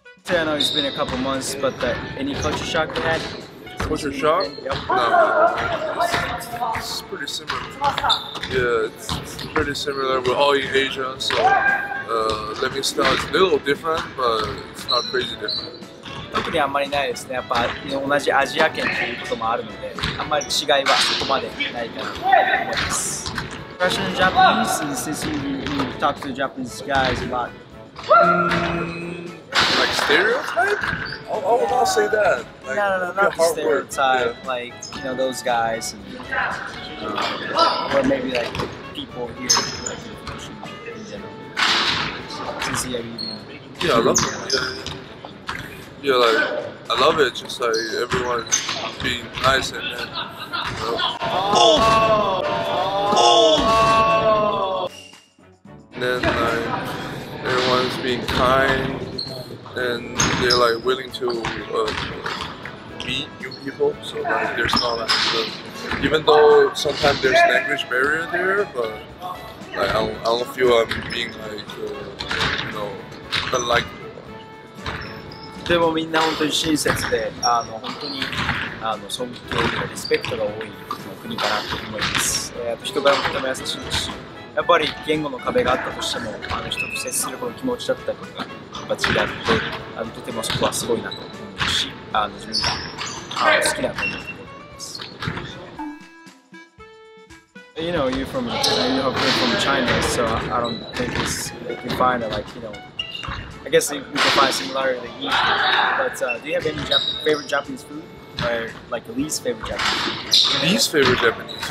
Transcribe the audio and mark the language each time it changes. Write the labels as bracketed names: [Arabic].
[English] I know it's been a couple months, but any culture shock you had? Culture shock? Yep. It's pretty similar. Yeah, it's pretty similar. We're all in Asia, so living style is a little different, but it's not crazy different. [Japanese] 特にあんまりないですね。やっぱ同じアジア圏ということもあるので、あんまり違いはそこまでないかなと思います。 [English] Russian Japanese, since you talk to Japanese guys about, like stereotype? I'll say that. Like, no, not stereotype. Yeah. Like you know those guys, and, or maybe like the people here like, in general. Since you're even, yeah, I love it. Yeah, like, I love it, just like everyone being nice and then, you know. And then, like, everyone's being kind and they're, like, willing to meet new people. So, like, there's not, like, even though sometimes there's language barrier there, but, like, I don't feel I'm being, like, you know, unlike. [Japanese] でもみんな本当に親切で、本当に尊敬とかリスペクトが多い国かなと思います。あと人柄もとても優しいし、やっぱり言語の壁があったとしても、人と接するこの気持ちだったりとかが違って、とてもそこはすごいなと思うし、自分が好きな国だと思います。 [English] You know, you're from, you have been from China, so I don't think it's defined like, you know,I guess you can find similarity to eat, but do you have any favorite Japanese food? Or like least favorite Japanese food? Least favorite Japanese?